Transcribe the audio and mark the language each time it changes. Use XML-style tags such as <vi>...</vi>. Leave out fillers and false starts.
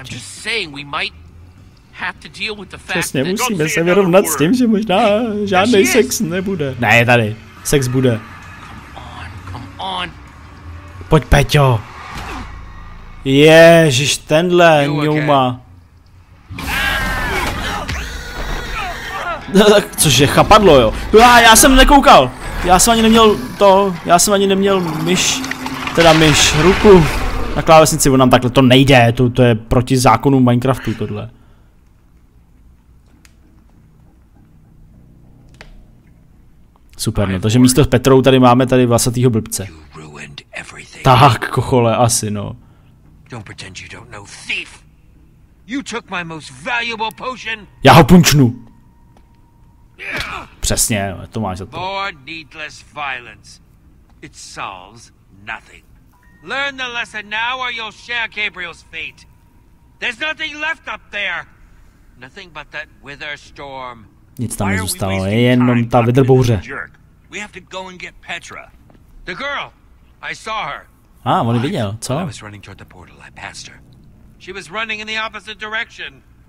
<en>I'm just saying we might have to deal with the fact</en> <cs>přesně,</cs> <en>that...</en> <cs>musíme se vyrovnat s tím, že možná žádný sex nebude. Ne, tady. Sex bude.</cs> <en>Come on.</en> <cs>Pojď, Peťo. Ježiš, tenhle, Newma. Cože, chapadlo, jo. Já jsem nekoukal. Já jsem ani neměl myš. Teda myš, ruku. Na klávesnici, on nám takhle to nejde. To je proti zákonu Minecraftu, tohle. Super, no, takže místo s Petrou tady máme tady vlasatýho blbce. Tak, kochole, asi, no.</cs> <en>Don't pretend you don't know, thief. You took my most valuable potion.</en> <cs>Já ho punčnu. Přesně, to máš za to.</cs> <en>More needless violence. It solves nothing. Learn the lesson now or you'll share Gabriel's fate. There's nothing left up there. Nothing but that wither storm.</en> <cs>Nic tam nezůstalo, je jenom ta vedrbouře.</cs> <en>We have to go and get Petra. The girl. I saw her.</en> <cs>On viděl, co?</cs> <en>I was running toward the portal. I passed her. She was running in the opposite direction.</en>